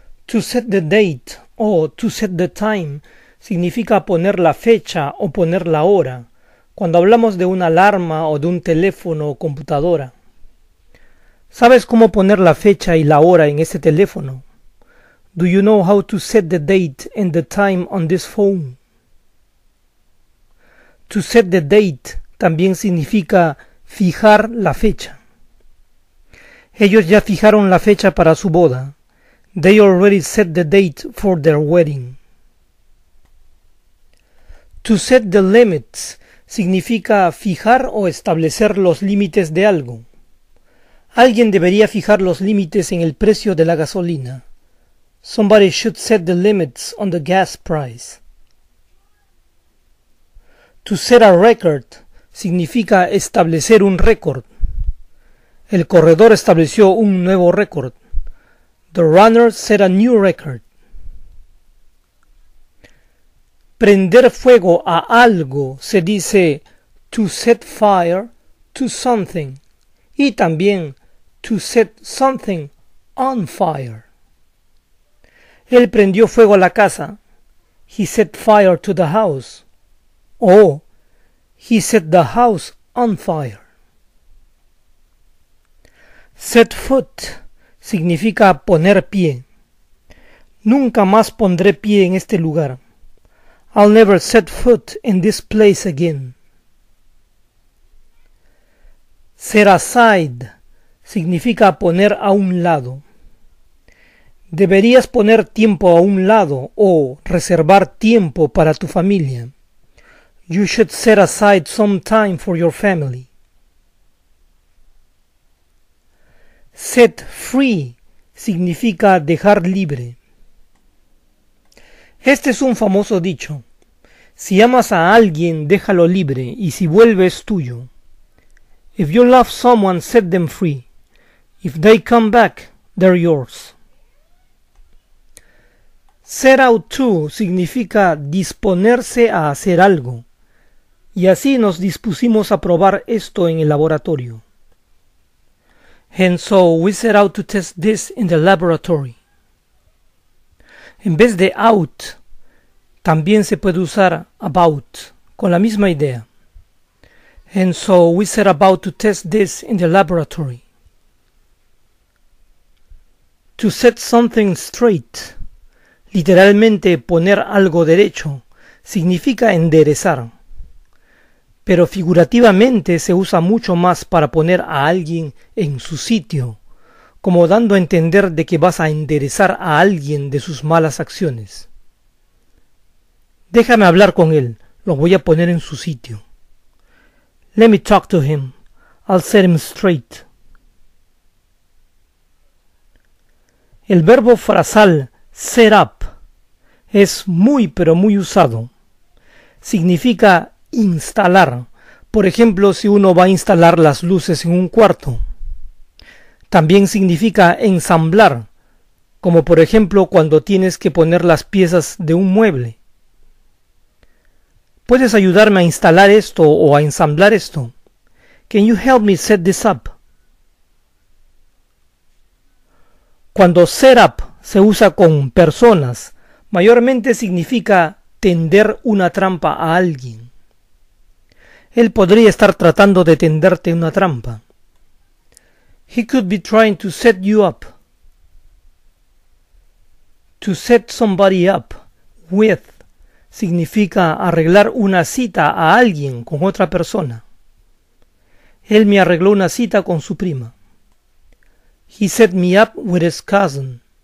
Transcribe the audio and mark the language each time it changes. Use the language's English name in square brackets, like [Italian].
[English] To set the date [Spanish] o [English] to set the time [Spanish] significa poner la fecha o poner la hora cuando hablamos de una alarma o de un teléfono o computadora. ¿Sabes cómo poner la fecha y la hora en ese teléfono? [English] Do you know how to set the date and the time on this phone? To set the date [Spanish] también significa fijar la fecha. Ellos ya fijaron la fecha para su boda. [English] They already set the date for their wedding. To set the limits [Spanish] significa fijar o establecer los límites de algo. Alguien debería fijar los límites en el precio de la gasolina. [English] Somebody should set the limits on the gas price. To set a record [Spanish] significa establecer un récord. El corredor estableció un nuevo récord. [English] The runner set a new record. [Spanish] Prender fuego a algo se dice [English] to set fire to something [Spanish] y también [English] to set something on fire. [Spanish] Él prendió fuego a la casa. [English] He set fire to the house. O he set the house on fire. Set foot [Spanish] significa poner pie. Nunca más pondré pie en este lugar. [English] I'll never set foot in this place again. Set aside [Spanish] significa poner a un lado. Deberías poner tiempo a un lado o reservar tiempo para tu familia. [English] You should set aside some time for your family. Set free [Spanish] significa dejar libre. Este es un famoso dicho. Si amas a alguien, déjalo libre, y si vuelve es tuyo. [English] If you love someone, set them free. If they come back, they're yours. Set out to [Spanish] significa disponerse a hacer algo. Y así nos dispusimos a probar esto en el laboratorio. [English] And so we set out to test this in the laboratory. [Spanish] En vez de out, también se puede usar about, con la misma idea. [English] And so we set about to test this in the laboratory. To set something straight, [Spanish] literalmente poner algo derecho, significa enderezar. Pero figurativamente se usa mucho más para poner a alguien en su sitio, como dando a entender de que vas a enderezar a alguien de sus malas acciones. Déjame hablar con él, lo voy a poner en su sitio. [English] Let me talk to him, I'll set him straight. [Spanish] El verbo frasal [English] set up [Spanish] es muy pero muy usado. Significa instalar, por ejemplo si uno va a instalar las luces en un cuarto. También significa ensamblar, como por ejemplo cuando tienes que poner las piezas de un mueble. ¿Puedes ayudarme a instalar esto o a ensamblar esto? [English] Can you help me set this up? [Spanish] Cuando [English] set up [Spanish] se usa con personas, mayormente significa tender una trampa a alguien. Él podría estar tratando de tenderte una trampa. [English] He could be trying to set you up. To set somebody up with [Spanish] significa arreglar una cita a alguien con otra persona. Él me arregló una cita con su prima. [English] He set me up with his cousin.